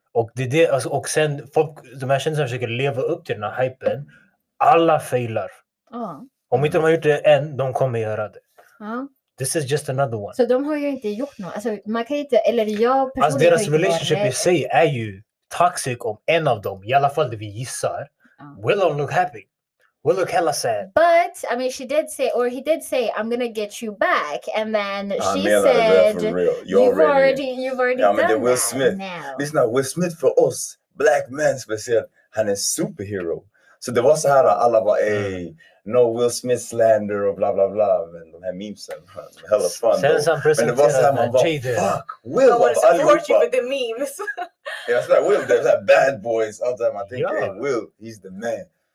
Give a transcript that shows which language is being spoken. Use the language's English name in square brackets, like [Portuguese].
[Swedish] Och det är det, alltså, och sen folk, de här kändisarna försöker leva upp till den här hypen. Alla failar. Mm. Om inte de har gjort det än, de kommer göra det. Mm. [English] This is just another one. [Swedish] Så de har ju inte gjort något. Alltså, man kan inte, eller jag personligen, alltså, deras relationship i sig är ju toxic om en av dem. I alla fall det vi gissar. [English] Mm. Will don't look happy. Will look hella sad. But, I mean, she did say, or he did say, I'm gonna get you back. And then she said, for real. You've already yeah, done that. Will Smith. Listen now, Will Smith for us, black men, special, [Swedish] han är [English] superhero. So there was a lot of all about, hey, no Will Smith slander, or blah, blah, blah. And the memes are hella fun. Send some presents to him, man. Fuck, Will, I want to support you with the memes. Yeah, it's like, Will, there's like bad boys all the time. I think, hey, Will, he's the man.